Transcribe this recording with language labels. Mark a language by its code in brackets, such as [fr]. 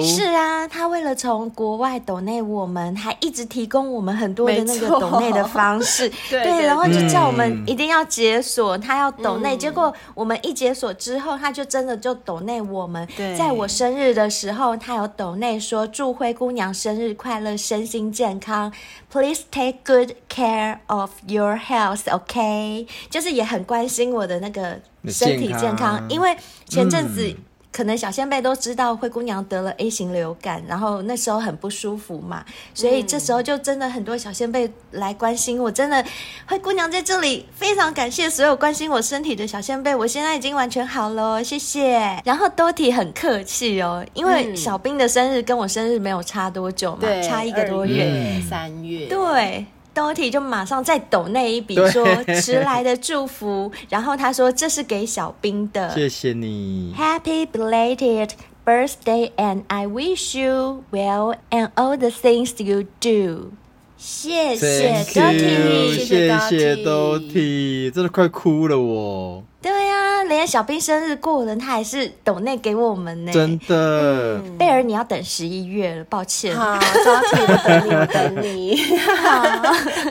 [zh] 是啊，他为了从国外抖内我们，还一直提供我们很多的那个抖内的方式。对，然后就叫我们一定要解锁他要抖内，结果我们一解锁之后，他就真的就抖内我们。对，在我生日的时候，他有抖内说祝灰姑娘生日快乐，身心健康。 [en] Please take good care of your health, OK? [zh] 就是也很关心我的那个身体健康，因为前阵子可能小先辈都知道灰姑娘得了 A 型流感，然后那时候很不舒服嘛，所以这时候就真的很多小先辈来关心我，真的灰姑娘在这里非常感谢所有关心我身体的小先辈，我现在已经完全好了，谢谢。然后 Dotty 很客气哦，因为小兵的生日跟我生日没有差多久嘛，差一个多月，三月。对，Dotty 就马上再抖那一笔说迟来的祝福，然后他说这是给小兵的，谢谢你。 [en] Happy belated birthday and I wish you well and all the things you do。 [zh] 谢谢 Dotty，谢谢 Dotty， 真的快哭了我。对啊，连小兵生日过了他还是抖内给我们呢，真的。贝儿你要等十一月了，抱歉。好，Dotty 要等你，等你。好，